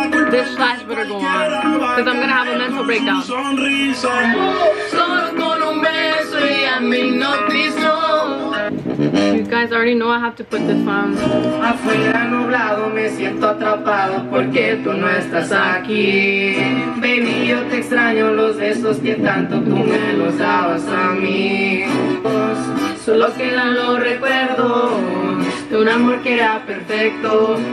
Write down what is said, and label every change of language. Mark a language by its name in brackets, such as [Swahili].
[English] This lash better go on because I'm going to have a mental breakdown. [Spanish] Solo con un beso y a mi noticia. [English] You guys already know I have to put this on. [Spanish] Afuera nublado, me siento atrapado porque tú no estás aquí. Baby, yo te extraño los besos que tanto tú me los dabas a mí. Solo quedan los recuerdos de un amor que era perfecto.